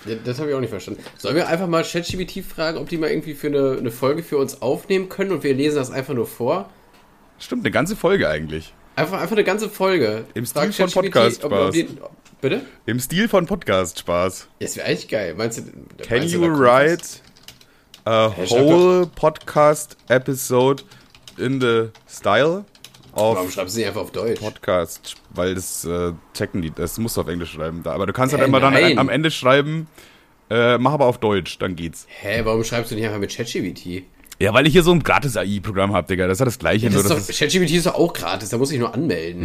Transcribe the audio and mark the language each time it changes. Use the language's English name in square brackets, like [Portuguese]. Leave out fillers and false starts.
[German] Ja, das habe ich auch nicht verstanden. Sollen wir einfach mal ChatGPT fragen, ob die mal irgendwie für eine Folge für uns aufnehmen können und wir lesen das einfach nur vor? Stimmt, eine ganze Folge eigentlich. Einfach eine ganze Folge. Im Stil von Podcast-Spaß. Bitte? Im Stil von Podcast-Spaß. Das wäre eigentlich geil. Meinst du, [English] can you write a whole podcast episode in the style of... [German] Warum schreibst du sie einfach auf Deutsch? Podcast, weil das checken die. Das musst du auf Englisch schreiben. Aber du kannst halt immer dann am Ende schreiben, mach aber auf Deutsch, dann geht's. Hä, warum schreibst du nicht einfach mit ChatGPT? Ja, weil ich hier so ein gratis AI-Programm habe, Digga. Das ist das Gleiche. Ja, ChatGPT ist doch auch gratis, da muss ich nur anmelden.